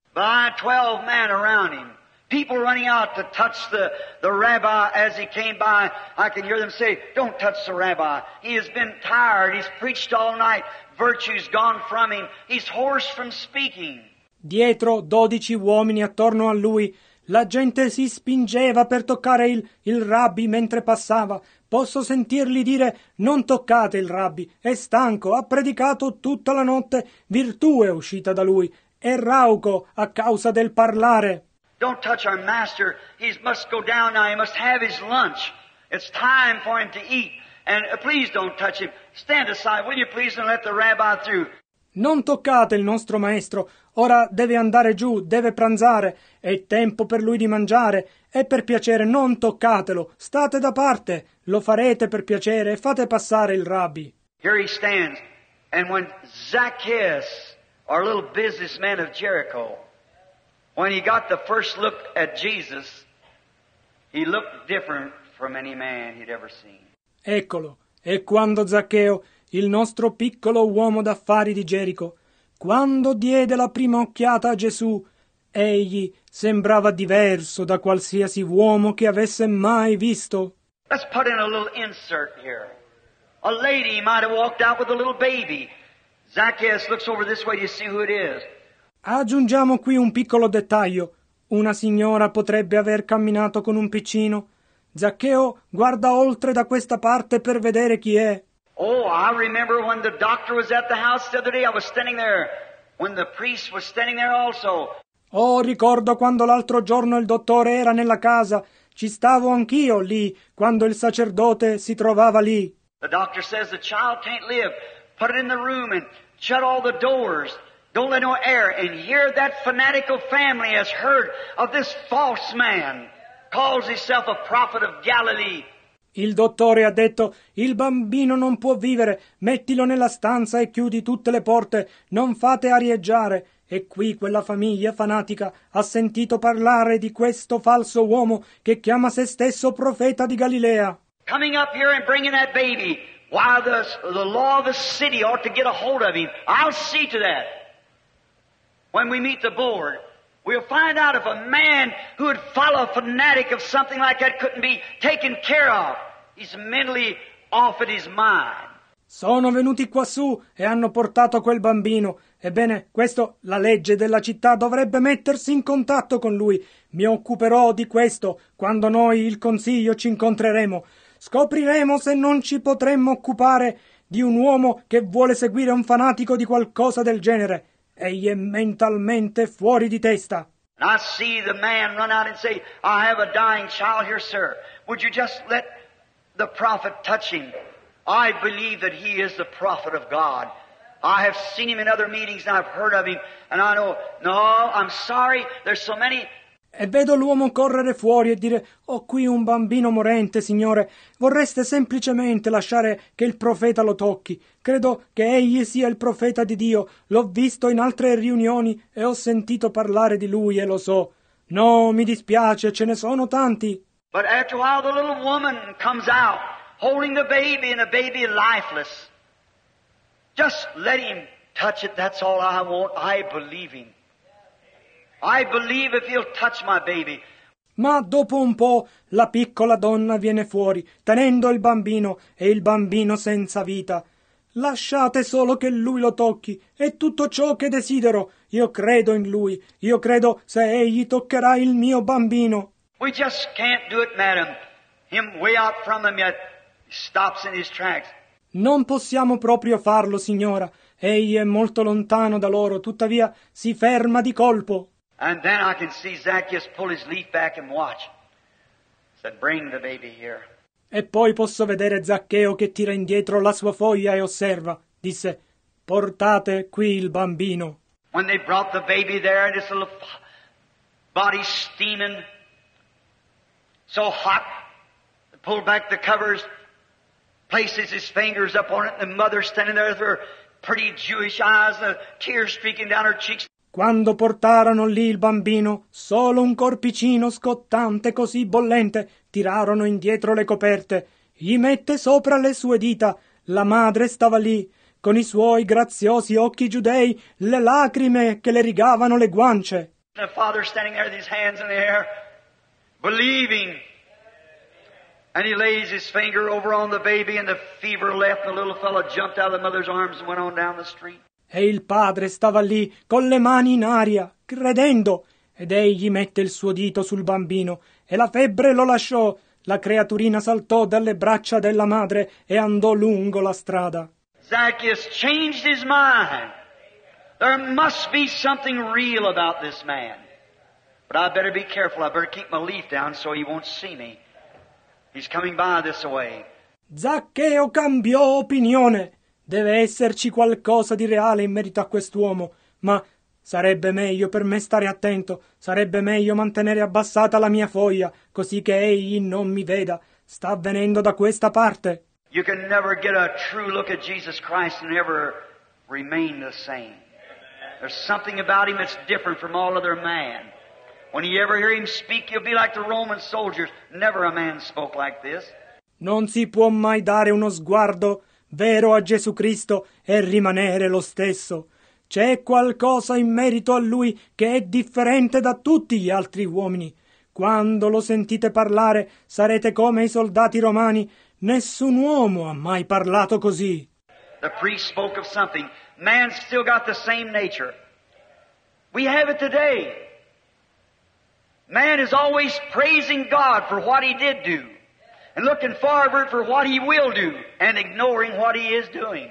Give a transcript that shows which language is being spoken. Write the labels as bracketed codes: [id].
[en] By 12 men around him. People running out to touch the rabbi as he came by. I can hear them say, don't touch the rabbi. He has been tired. He's preached all night. Virtue's gone from him. He's hoarse from speaking. [it] Dietro 12 uomini attorno a lui, la gente si spingeva per toccare il rabbi mentre passava. Posso sentirli dire, non toccate il rabbi. È stanco. Ha predicato tutta la notte. Virtù è uscita da lui. È rauco a causa del parlare. [en] Don't touch our master. He must go down now. He must have his lunch. It's time for him to eat. And please don't touch him. Stand aside, will you please, and let the rabbi through. [it] Non toccate il nostro maestro. Ora deve andare giù, deve pranzare. È tempo per lui di mangiare. E per piacere, non toccatelo. State da parte. Lo farete per piacere e fate passare il rabbi. [en] Here he stands. And when Zacchaeus, our little businessman of Jericho, when he got the first look at Jesus, he looked different from any man he'd ever seen. [it] Eccolo, e quando Zaccheo, il nostro piccolo uomo d'affari di Gerico, quando diede la prima occhiata a Gesù, egli sembrava diverso da qualsiasi uomo che avesse mai visto. [en] Let's put in a little insert here. A lady might have walked out with a little baby. Zacchaeus looks over this way to see who it is. [it] Aggiungiamo qui un piccolo dettaglio. Una signora potrebbe aver camminato con un piccino. Zaccheo, guarda oltre da questa parte per vedere chi è. [en] Oh, I remember when the doctor was at the house the other day, I was standing there, when the priest was standing there also. [it] Oh, ricordo quando l'altro giorno il dottore era nella casa, ci stavo anch'io lì, quando il sacerdote si trovava lì. [en] The doctor says the child can't live, put it in the room and shut all the doors. Don't let no air, and here that fanatical family has heard of this false man, calls himself a prophet of Galilee. [it] Il dottore ha detto, il bambino non può vivere, mettilo nella stanza e chiudi tutte le porte, non fate arieggiare. E qui quella famiglia fanatica ha sentito parlare di questo falso uomo che chiama se stesso profeta di Galilea. [en] Coming up here and bringing that baby, while the law of the city ought to get a hold of him, I'll see to that. When we meet the board, we'll find out if a man who would follow a fanatic of something like that couldn't be taken care of. He's mentally off in his mind. [it] Sono venuti quassù e hanno portato quel bambino. Ebbene, questo, la legge della città dovrebbe mettersi in contatto con lui. Mi occuperò di questo quando noi, il consiglio, ci incontreremo. Scopriremo se non ci potremmo occupare di un uomo che vuole seguire un fanatico di qualcosa del genere. Egli è mentalmente fuori di testa. [en] And I see the man run out and say, I have a dying child here, sir. Would you just let the prophet touch him? I believe that he is the prophet of God. I have seen him in other meetings and I've heard of him. And I know, no, I'm sorry, there's so many. [it] E vedo l'uomo correre fuori e dire, ho qui un bambino morente, signore. Vorreste semplicemente lasciare che il profeta lo tocchi. Credo che egli sia il profeta di Dio. L'ho visto in altre riunioni e ho sentito parlare di lui e lo so. No, mi dispiace, ce ne sono tanti. [en] But after a while the little woman comes out, holding the baby and the baby lifeless. Just let him touch it, that's all I want. I believe him. I believe if he'll touch my baby. [it] Ma dopo un po' la piccola donna viene fuori, tenendo il bambino e il bambino senza vita. Lasciate solo che lui lo tocchi, è tutto ciò che desidero. Io credo in lui, io credo se egli toccherà il mio bambino. [en] We just can't do it, madam. Him way out from them yet, stops in his tracks. [it] Non possiamo proprio farlo, signora. Egli è molto lontano da loro, tuttavia si ferma di colpo. [en] And then I can see Zacchaeus pull his leaf back and watch. Said, bring the baby here. [it] E poi posso vedere Zaccheo che tira indietro la sua foglia e osserva. Disse, portate qui il bambino. [en] When they brought the baby there, this little body steaming, so hot, they pulled back the covers, places his fingers up on it, and the mother standing there with her pretty Jewish eyes, the tears streaking down her cheeks. [it] Quando portarono lì il bambino, solo un corpicino scottante così bollente, tirarono indietro le coperte. Gli mette sopra le sue dita. La madre stava lì, con i suoi graziosi occhi giudei, le lacrime che le rigavano le guance. [en] The father standing there with his hands in the air, believing. And he lays his finger over on the baby and the fever left. The little fellow jumped out of the mother's arms and went on down the street. [it] E il padre stava lì, con le mani in aria, credendo. Ed egli mette il suo dito sul bambino. E la febbre lo lasciò. La creaturina saltò dalle braccia della madre e andò lungo la strada. [en] Zacchaeus changed his mind. There must be something real about this man. But I better be careful. I better keep my leaf down so he won't see me. He's coming by this way. [it] Zaccheo cambiò opinione. Deve esserci qualcosa di reale in merito a quest'uomo, ma sarebbe meglio per me stare attento, sarebbe meglio mantenere abbassata la mia foglia, così che egli non mi veda. Sta venendo da questa parte. [en] You can never get a true look at Jesus Christ and ever remain the same. There's something about him that's different from all other men. When you ever hear him speak, you'll be like the Roman soldiers. Never a man spoke like this. [it] Non si può mai dare uno sguardo vero a Gesù Cristo e rimanere lo stesso. C'è qualcosa in merito a Lui che è differente da tutti gli altri uomini. Quando lo sentite parlare, sarete come i soldati romani. Nessun uomo ha mai parlato così. [en] The priest spoke of something. Man's still got the same nature. We have it today. Man is always praising God for what he did do. and looking forward for what he will do and ignoring what he is doing.